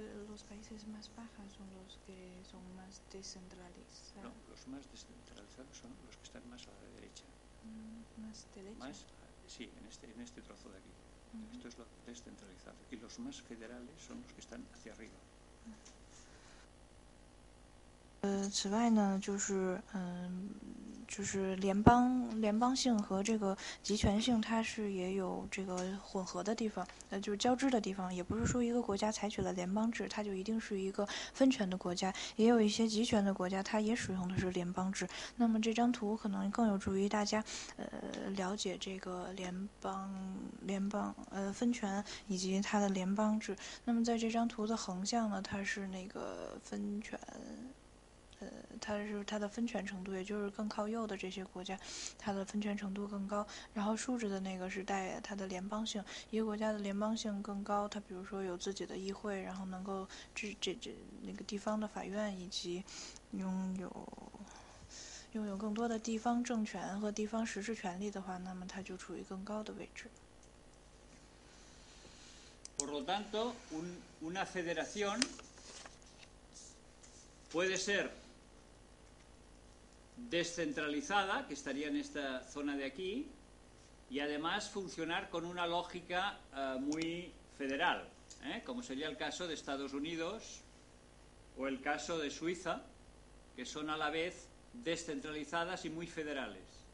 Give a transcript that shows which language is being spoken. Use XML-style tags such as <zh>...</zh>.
<es>Los países más bajos son los que son más descentralizados. No, los más descentralizados son los que están más a la derecha. Más derecha. Sí, en este trozo de aquí. Uh-huh. Esto es lo descentralizado. Y los más federales son los que están hacia arriba. Uh-huh.</es> <zh>此外呢，就是就是联邦性和这个集权性，它是也有这个混合的地方，就是交织的地方。也不是说一个国家采取了联邦制，它就一定是一个分权的国家。也有一些集权的国家，它也使用的是联邦制。那么这张图可能更有助于大家，了解这个联邦分权以及它的联邦制。那么在这张图的横向呢，它是那个分权。它的分权程度，也就是更靠右的这些国家，它的分权程度更高。然后竖着的那个是带它的联邦性，一个国家的联邦性更高，它比如说有自己的议会，然后能够这那个地方的法院，以及拥有更多的地方政权和地方实施权利的话，那么它就处于更高的位置。</zh> <es>Por lo tanto, una federación puede ser. Descentralizada, que estaría en esta zona de aquí, y además funcionar con una lógica muy federal, como sería el caso de Estados Unidos o el caso de Suiza, que son a la vez descentralizadas y muy federales.</es>